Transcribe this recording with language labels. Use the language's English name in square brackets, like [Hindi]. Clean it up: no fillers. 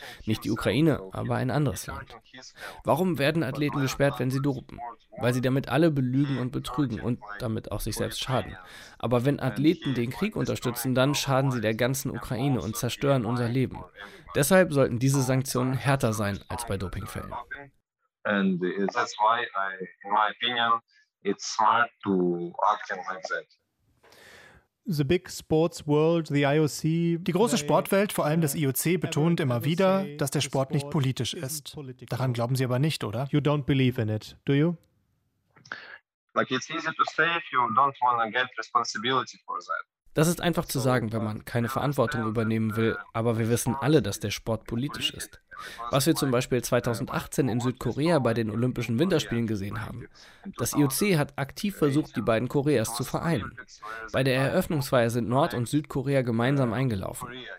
[German] Nicht die Ukraine, aber ein anderes Land. Warum werden Athleten gesperrt, wenn sie dopen? Weil sie damit alle belügen und betrügen und damit auch sich selbst schaden. Aber wenn Athleten den Krieg unterstützen, dann schaden sie der ganzen Ukraine und zerstören unser Leben. Deshalb sollten diese Sanktionen härter sein als bei Dopingfällen. [English] And that's why, in my opinion, it's smart to act like that. The big sports world, the IOC. [German] Die große Sportwelt, vor allem das IOC, betont immer wieder, dass der Sport nicht politisch ist. Daran glauben Sie aber nicht, oder? [English] You don't believe in it, do you? Like, it's easy to say if you don't want to get responsibility for that. [German] Das ist einfach zu sagen, wenn man keine Verantwortung übernehmen will, aber wir wissen alle, dass der Sport politisch ist. Was wir zum Beispiel 2018 in Südkorea bei den Olympischen Winterspielen gesehen haben. Das IOC hat aktiv versucht, die beiden Koreas zu vereinen. Bei der Eröffnungsfeier sind Nord- und Südkorea gemeinsam eingelaufen.